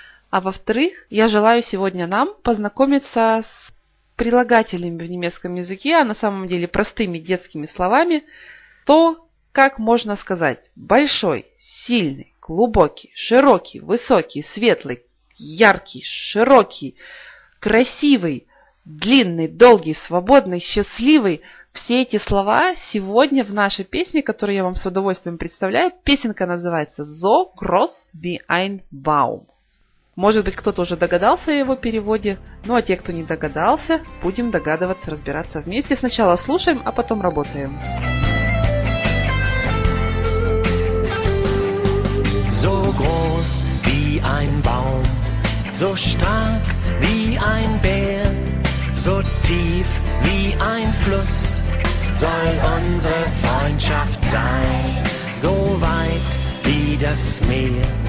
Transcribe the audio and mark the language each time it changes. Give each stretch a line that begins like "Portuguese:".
Russian: А во-вторых, я желаю сегодня нам познакомиться с прилагателями в немецком языке, а на самом деле простыми детскими словами, то, как можно сказать «большой», «сильный», «глубокий», «широкий», «высокий», «светлый», «яркий», «широкий», «красивый», «длинный», «долгий», «свободный», «счастливый». Все эти слова сегодня в нашей песне, которую я вам с удовольствием представляю. Песенка называется
German: «So cross wie ein Baum».
Russian: Может быть, кто-то уже догадался о его переводе. Ну, а те, кто не догадался, будем догадываться, разбираться вместе. Сначала слушаем, а потом работаем.
German: So groß wie ein Baum, so stark wie ein Bär, so tief wie ein Fluss soll unsere Freundschaft sein, so weit wie das Meer.